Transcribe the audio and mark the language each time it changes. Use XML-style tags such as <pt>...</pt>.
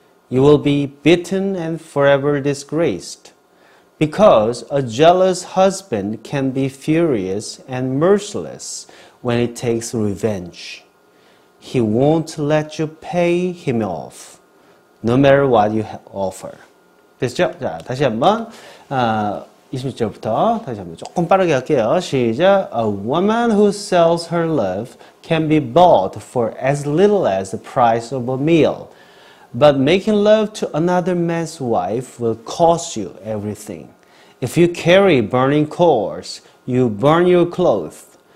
<en>You will be beaten and forever disgraced, because a jealous husband can be furious and merciless when he takes revenge. He won't let you pay him off, no matter what you offer.</en> <ko>됐죠? 자, 다시 한번. 26절부터 다시 한번 조금 빠르게 할게요. 시작.</ko> <en>A woman who sells her love can be bought for as little as the price of a meal. But making love to another man's wife will cost you everything. If you carry burning coals, you burn your clothes.</en>